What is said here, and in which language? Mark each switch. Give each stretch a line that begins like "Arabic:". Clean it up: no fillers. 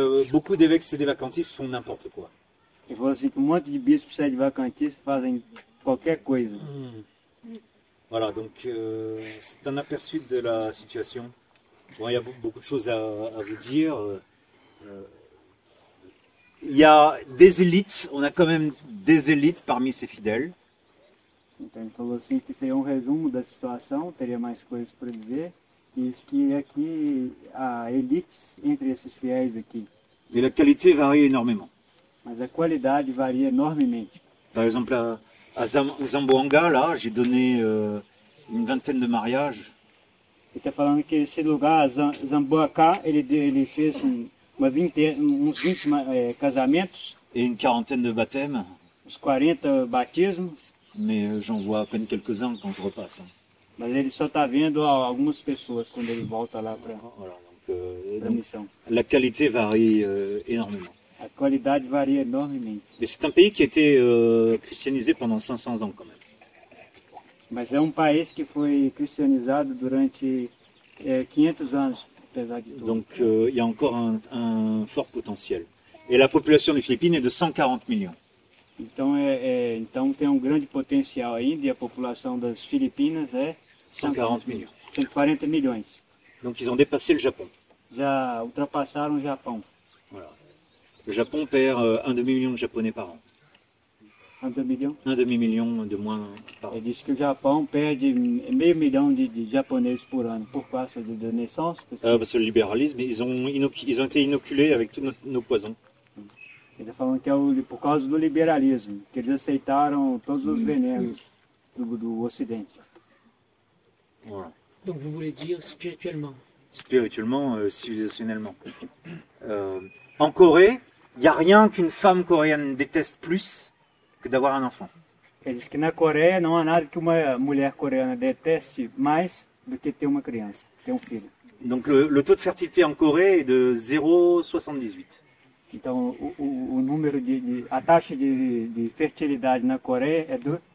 French: beaucoup d'évêques sédévacantistes font n'importe quoi.
Portuguese: Ele falou assim, um monte de bispos sédévacantistes fazem qualquer coisa.
French: Voilà, donc c'est un aperçu de la situation. Bon, il y a beaucoup de choses à vous dire. Il y a des élites, on a quand même des élites parmi ces fidèles. Donc, il a dit que c'est un résumé de la situation, il y aurait plus de choses pour dire. Il dit qu'il y a élites entre ces fidèles ici. Et la qualité varie énormément.
Portuguese: Mas a qualidade varia enormemente.
French: Par exemple, à Zamboanga, là, j'ai donné une vingtaine de mariages.
Portuguese: Ele está falando que esse lugar, Zamboanga, ele fez uns 20 casamentos.
French: Et une quarantaine de baptêmes.
Portuguese: Uns 40 batismos.
French: Mais j'en vois à peine quelques-uns quand je repasse. Hein.
Portuguese: Mas ele só está vendo algumas pessoas quando ele volta lá para a missão.
French: La qualité varie énormément.
Portuguese: A qualidade varia enormemente.
French: Mais c'est un pays qui a été christianisé pendant 500 ans quand même.
Portuguese: Mas é país que foi cristianizado durante 500 anos, apesar de tudo.
French: Donc il y a encore un fort potentiel. Et la population des Philippines est de 140 millions.
Portuguese: Então, então tem grande potencial ainda, e a população das Filipinas é
French: 140 millions. 140 millions. Donc ils ont dépassé le Japon.
Portuguese: Já ultrapassaram o Japão.
French: Voilà. Le Japon perd 500 000 de Japonais par an. 500 000? 500 000 de moins par an.
Portuguese: Ele disse que o Japão perde 500 000 de japoneses por ano por causa de naissance.
French: Parce que le libéralisme, ils ont été inoculés avec tous nos poisons.
Portuguese: Ele está falando que é por causa do liberalismo, que eles aceitaram todos os venenos do Ocidente.
French: Voilà. Donc, vous voulez dire spirituellement? Spirituellement, civilisationnellement. En Corée, il n'y a rien qu'une femme coréenne déteste plus que d'avoir un enfant.
Portuguese: Ele disse que na Coreia não há nada que uma mulher coreana deteste mais do que ter uma criança, ter filho.
French: Donc, le taux de fertilité en Corée est de 0,78.
Portuguese: Então, o número a taxa de fertilidade na Coreia é de